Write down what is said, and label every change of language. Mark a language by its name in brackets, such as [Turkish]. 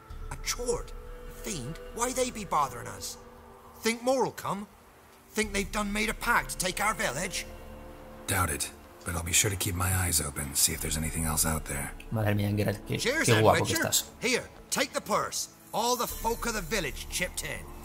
[English] A chord, a fiend, why they be bothering us? Think more'll come? Think they've done made a pact to take our village? Doubt it, but I'll be sure to keep my eyes open, see if there's anything else out there. [Spanish] Madre mía, qué guapo que estás. [English] Here, take the purse. All the folk of the village chipped in.